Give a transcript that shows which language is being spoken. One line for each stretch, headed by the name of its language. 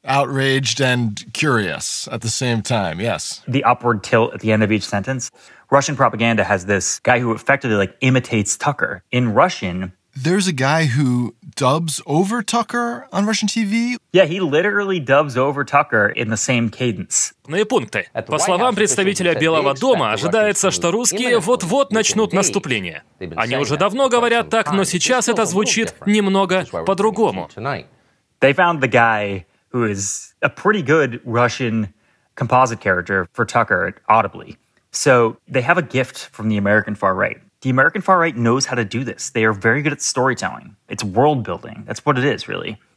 English: Outraged and curious at the same time, yes. The upward tilt at the end of each sentence. Russian propaganda has this guy who effectively, like, imitates Tucker in Russian. There's a guy who dubs over Tucker on Russian TV. Yeah, he literally dubs over Tucker in the same cadence.
Russian: На пункты. По словам представителя Белого дома, ожидается, что русские вот-вот начнут наступление. Они уже давно говорят так, но сейчас это звучит немного по-другому.
English: They found the guy who is a pretty good Russian composite character for Tucker audibly. So they have a gift from the American far right. The American far right knows how to do this. They are very good at storytelling. It's world building. That's what it is, really.